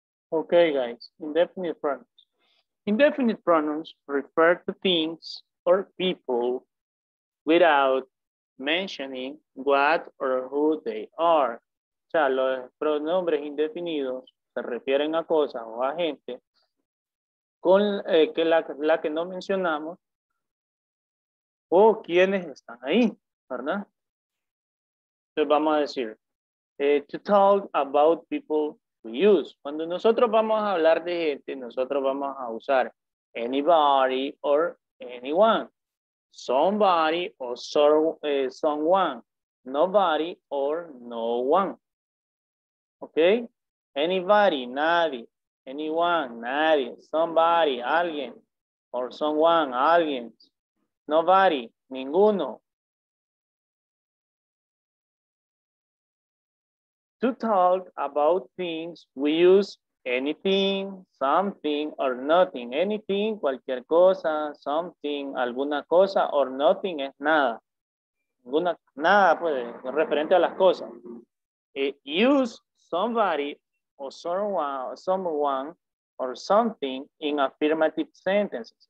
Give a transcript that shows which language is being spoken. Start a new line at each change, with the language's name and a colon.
English: Okay, guys, indefinite pronouns. Indefinite pronouns refer to things or people without mentioning what or who they are.
Spanish: O sea, los pronombres indefinidos se refieren a cosas o a gente con la que no mencionamos o quienes están ahí, ¿verdad? Entonces vamos a decir,
English: to talk about people we use.
Spanish: Cuando nosotros vamos a hablar de gente, nosotros vamos a usar
English: anybody or anyone. Somebody or someone. Nobody or no one. Okay?
Spanish: Anybody, nadie. Anyone, nadie.
English: Somebody, alguien. Or someone, alguien.
Spanish: Nobody, ninguno.
English: To talk about things, we use anything, something, or nothing.
Spanish: Anything, cualquier cosa, something, alguna cosa,
English: or nothing
Spanish: es nada. Ninguna, nada, pues, referente a las cosas.
English: Use somebody, or someone, or something in affirmative sentences.